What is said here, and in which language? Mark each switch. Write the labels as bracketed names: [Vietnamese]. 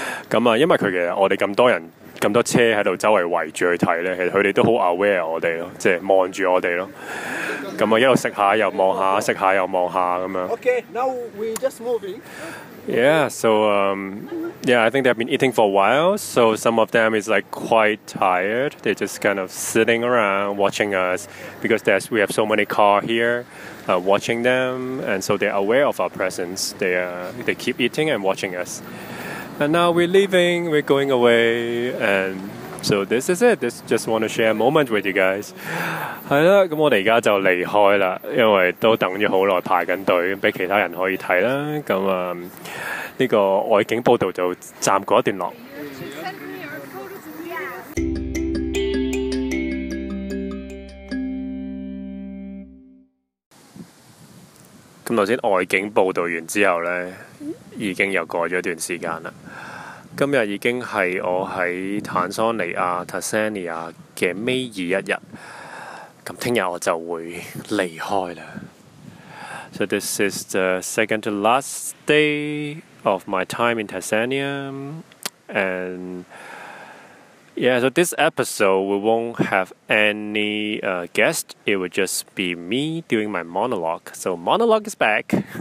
[Cantonese] 咁啊，因為佢其實我哋咁多人。咁多車喺度周圍圍住去睇咧，其實佢哋都好 aware 我哋咯，即係望住我哋咯。咁啊，一路食下又望下，食下又望下咁樣。 [English] Okay, now we just moving. Yeah, so I think they've been eating for a while. So some of them is like quite tired. They're just kind of sitting around watching us because we have so many car here, watching them, and so they're aware of our presence. They keep eating and watching us. And now we're leaving, we're going away, and so this is it. Just want to share a moment with you guys. [Cantonese] 係啦，咁我哋而家就離開啦，因為都等咗好耐排緊隊，俾其他人可以睇啦。咁啊，呢個外景報導就暫告一段落。咁頭先外景報導完之後咧。已經又過了一段時間了，今天已經是我在坦桑尼亞 Tanzania 的尾二一日，咁聽日我就會離開了。 [English] So this is the second to last day of my time in Tanzania, and yeah, so this episode we won't have any guest. It will just be me doing my monologue. So monologue is back.